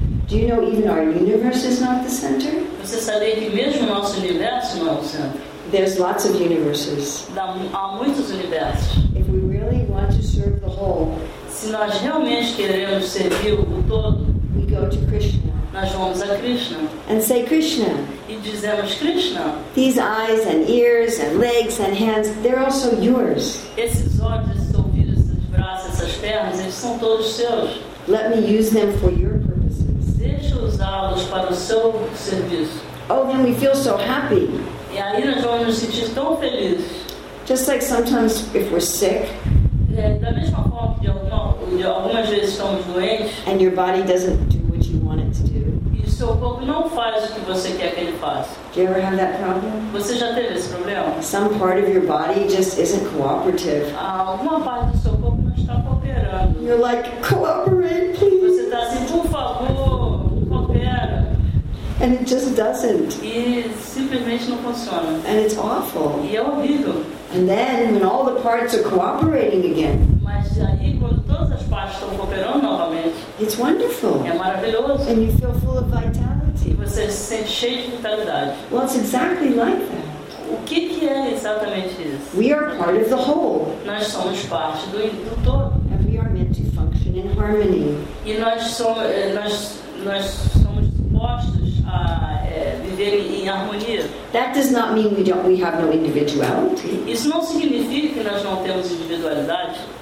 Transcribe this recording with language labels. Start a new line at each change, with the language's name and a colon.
English: Do you know even our universe is not the center?
Portuguese: Você sabia que mesmo o nosso universo não é o centro?
English: There's lots of universes.
Portuguese: Há muitos universos.
English: If we really want to serve the whole,
Portuguese: se nós realmente queremos servir o todo,
English: we go to Krishna.
Portuguese: Nós vamos a Krishna.
English: And say Krishna.
Portuguese: E dizemos Krishna.
English: These eyes and ears and legs and hands, they're also yours.
Portuguese: Esses olhos, esses ouvidos, essas braças, essas pernas, eles são todos seus.
English: Let me use them for your purposes.
Portuguese: Deixa usá-los para o seu serviço.
English: Oh, then we feel so happy.
Portuguese: E aí nós vamos nos sentir tão felizes.
English: Just like sometimes if we're sick.
Portuguese: É, da mesma forma que algumas vezes estamos doentes.
English: And your body doesn't do what you want it to do.
Portuguese: E seu corpo não faz o que você quer que ele faça.
English: Do you ever have that problem?
Portuguese: Você já teve esse problema?
English: Some part of your body just isn't cooperative.
Portuguese: Alguma parte do seu corpo não está cooperando.
English: You're like, cooperate, please.
Portuguese: Você está assim, por favor, coopera.
English: And it just doesn't.
Portuguese: E simplesmente não funciona.
English: And it's awful.
Portuguese: E é horrível.
English: And then when all the parts are cooperating again.
Portuguese: Mas aí quando todas as partes estão cooperando novamente.
English: It's wonderful.
Portuguese: É maravilhoso.
English: And you feel full of vitality.
Portuguese: E você se sente cheio de vitalidade.
English: Well, it's exactly like that.
Portuguese: O que é exatamente isso?
English: We are part of the whole.
Portuguese: Nós somos parte do todo.
English: And we are meant to function in harmony.
Portuguese: E nós somos postos a viver em harmonia.
English: That does not mean we have no individuality.
Portuguese: Isso não significa que nós não temos individualidade.